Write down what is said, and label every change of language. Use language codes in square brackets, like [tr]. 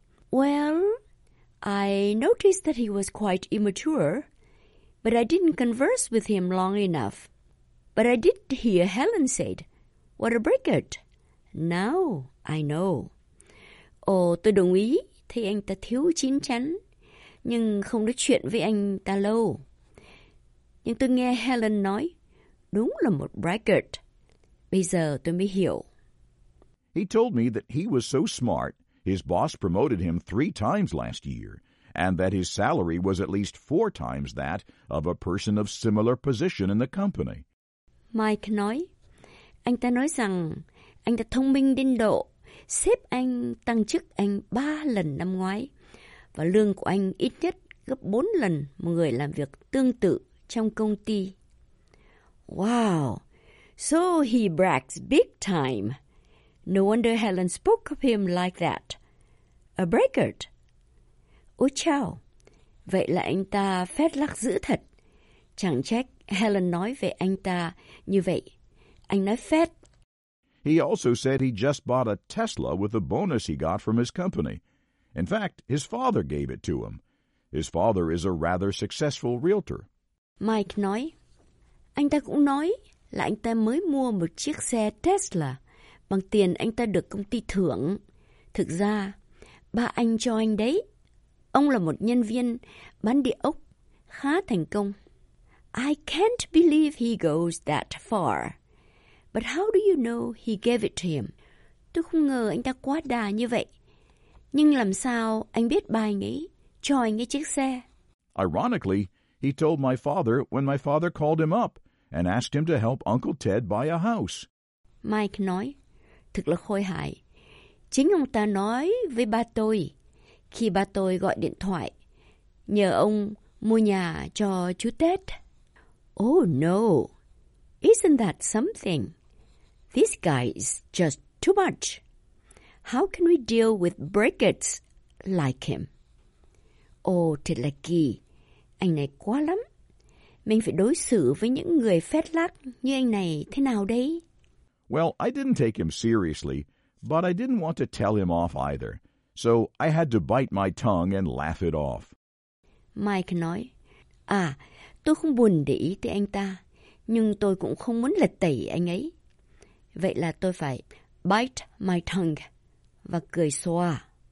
[en] Well, I noticed that he was quite immature, but I didn't converse with him long enough. But I did hear Helen said, what a braggart. Now I know. [vi] Tôi đồng ý thấy anh ta thiếu chín chắn, nhưng không nói chuyện với anh ta lâu. Nhưng tôi nghe Helen nói, đúng là một braggart. Bây giờ tôi mới hiểu. [en] He told me that he was so smart, his boss promoted him 3 times last year, and that his salary was at least 4 times that of a person of similar position in the company. [vi] Mike nói, anh ta nói rằng anh ta thông minh đến độ sếp anh tăng chức anh 3 lần năm ngoái, và lương của anh ít nhất gấp 4 lần một người làm việc tương tự trong công ty. [en] Wow, so he brags big time. No wonder Helen spoke of him like that. A braggart. [vi] Ôi chào. Vậy là anh ta phét lắc dữ thật. Chẳng trách Helen nói về anh ta như vậy. Anh nói phết. [en] He also said he just bought a Tesla with a bonus he got from his company. In fact, his father gave it to him. His father is a rather successful realtor. [vi] Mike nói, anh ta cũng nói là anh ta mới mua một chiếc xe Tesla bằng tiền anh ta được công ty thưởng. Thực ra, ba anh cho anh đấy. Ông là một nhân viên bán địa ốc khá thành công. [en] I can't believe he goes that far. But how do you know he gave it to him? [vi] Tôi không ngờ anh ta quá đà như vậy. Nhưng làm sao anh biết ba anh ấy cho anh ấy chiếc xe? [en] Ironically, he told my father when my father called him up and asked him to help Uncle Ted buy a house. [vi] Mike nói, thật là khôi hài. Chính ông ta nói với ba tôi khi ba tôi gọi điện thoại nhờ ông mua nhà cho chú Ted. [en] Oh no, isn't that something? This guy is just too much. How can we deal with brackets like him? [vi] Oh, thật là kỳ. Anh này quá lắm. Mình phải đối xử với những người phét lác như anh này thế nào đây? [en] Well, I didn't take him seriously, but I didn't want to tell him off either. So I had to bite my tongue and laugh it off. [vi] Mike nói, à, tôi không buồn để ý tới anh ta, nhưng tôi cũng không muốn lật tẩy anh ấy. Vậy là tôi phải [en] bite my tongue [vi] và cười xòa.